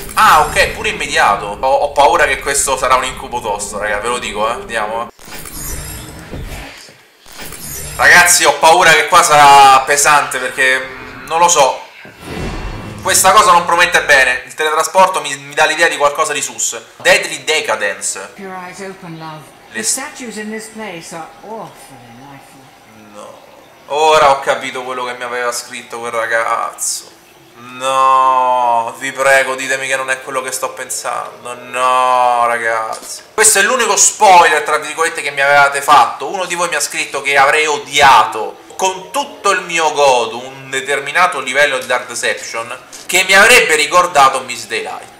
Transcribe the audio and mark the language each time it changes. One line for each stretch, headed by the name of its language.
Italian: Ah, ok, pure immediato. Ho paura che questo sarà un incubo tosto, raga, ve lo dico, Andiamo. Ragazzi, ho paura che qua sarà pesante, perché... non lo so. Questa cosa non promette bene. Il teletrasporto mi dà l'idea di qualcosa di sus.
English: Deadly Decadence. Le statue in this place are awful.
Italian: No. Ora ho capito quello che mi aveva scritto quel ragazzo. No, vi prego, ditemi che non è quello che sto pensando. No, ragazzi. Questo è l'unico spoiler, tra virgolette, che mi avevate fatto. Uno di voi mi ha scritto che avrei odiato con tutto il mio godo un determinato livello di Dark Deception che mi avrebbe ricordato Miss Daylight.